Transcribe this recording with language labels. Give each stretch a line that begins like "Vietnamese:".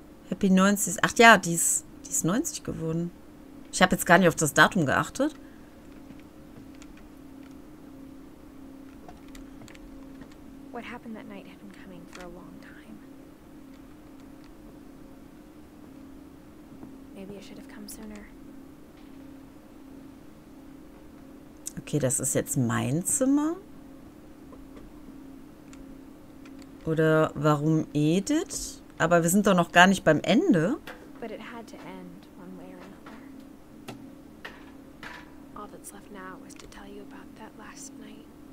English: Happy 90s.
German: Ach ja, die ist 90 geworden. Ich habe jetzt gar nicht auf das Datum geachtet.
English: What happened that night had been coming for a long time. Maybe it should have come sooner.
German: Okay, das ist jetzt mein Zimmer. Oder warum Edith? Aber wir sind doch noch gar nicht beim Ende.
English: But it had to end one way or another. All that's left now was to tell you about that last night.